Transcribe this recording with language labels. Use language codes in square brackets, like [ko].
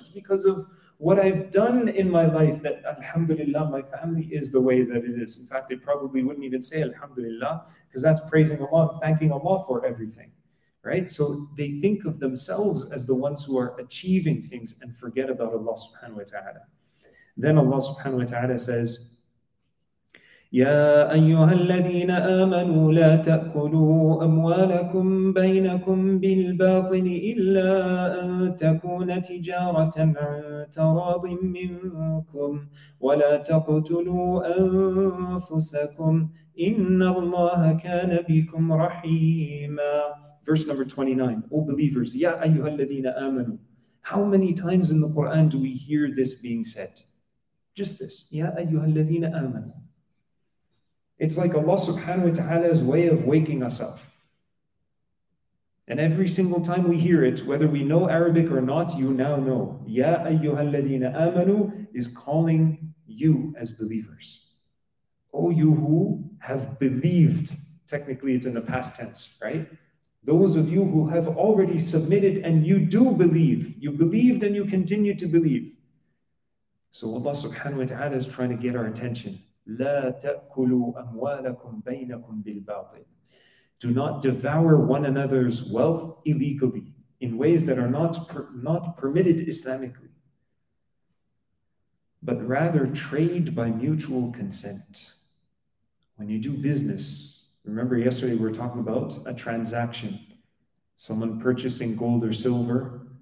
[en] It's because of what I've done in my life that alhamdulillah, my family is the way that it is. In fact, they probably wouldn't even say alhamdulillah because that's praising Allah, thanking Allah for everything, right? So they think of themselves as the ones who are achieving things and forget about Allah subhanahu wa ta'ala. Then Allah subhanahu wa ta'ala says, [ar] يا أيها الذين آمنوا لا تأكلوا أموالكم بينكم بالباطل إلا أن تكون تجارة عن تراض منكم ولا تقتلوا أنفسكم إن الله كان بكم رحيما. [en] Verse number 29. O believers, [ar] يا أيها الذين آمنوا. [en] How many times in the Quran do we hear this being said? Just this. [ar] يا أيها الذين آمنوا. [en] It's like Allah subhanahu wa ta'ala's way of waking us up. And every single time we hear it, whether we know Arabic or not, you now know. [ar] Ya ayyuhalladhina amanu [en] is calling you as believers. O you who have believed. Technically it's in the past tense, right? Those of you who have already submitted and you do believe. You believed and you continue to believe. So Allah subhanahu wa ta'ala is trying to get our attention. [ar] لا تأكلوا أموالكم بينكم بالباطل. [en] Do not devour one another's wealth illegally in ways that are not permitted Islamically. But rather trade by mutual consent. When you do business, remember yesterday we were talking about a transaction. Someone purchasing gold or silver